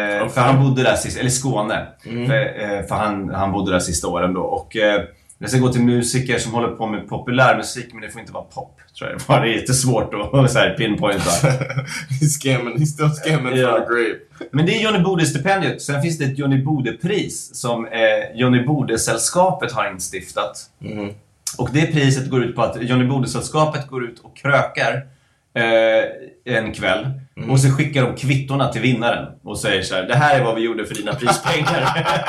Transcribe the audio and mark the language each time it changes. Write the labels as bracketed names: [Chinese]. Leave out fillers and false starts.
[Swedish] För han bodde där sist, eller Skåne. För han bodde där sista åren då. Och det ska gå till musiker som håller på med populärmusik, men det får inte vara pop. Tror jag. Det är jättesvårt att så här pinpointa. [English] He's still scamming for a grip. [Swedish] Men det är Johnny Bode stipendiet. Sen finns det ett Johnny Bode pris som Johnny Bode sällskapet har instiftat. Och det priset går ut på att Johnny Bode sällskapet går ut och krökar en kväll. Och så skickar de kvittorna till vinnaren och säger så här: det här är vad vi gjorde för dina prispengar.